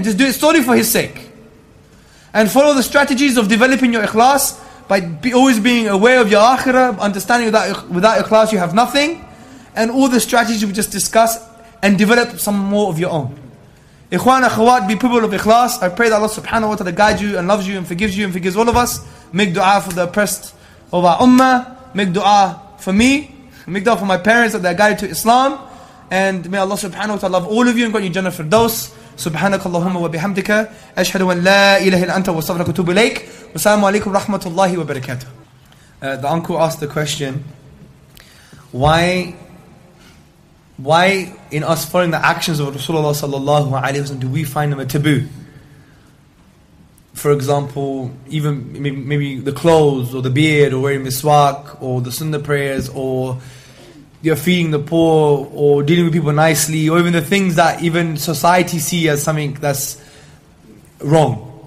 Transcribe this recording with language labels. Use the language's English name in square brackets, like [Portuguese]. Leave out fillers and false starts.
[English] And just do it solely for His sake. And follow the strategies of developing your ikhlas by always being aware of your akhirah, understanding that without ikhlas you have nothing, and all the strategies we just discussed, and develop some more of your own. Ikhwan akhawat, be people of ikhlas. I pray that Allah subhanahu wa ta'ala guide you and loves you and forgives you and forgives all of us. Make dua for the oppressed of our ummah. Make dua for me. Make dua for my parents that they are guided to Islam. And may Allah subhanahu wa ta'ala love all of you and grant you Jannah Firdaus. [Arabic] سبحانك اللهم وبحمدك أشهد أن لا إله إلا أنت وأستغفرك وأتوب إليك والسلام عليكم ورحمة الله وبركاته. [English] The uncle asked the question, why in us following the actions of Rasulullah [Arabic] صلى الله عليه وسلم [English] do we find them a taboo? For example, even maybe the clothes or the beard or wearing miswak or the sunnah prayers or you're feeding the poor or dealing with people nicely, or even the things that even society see as something that's wrong.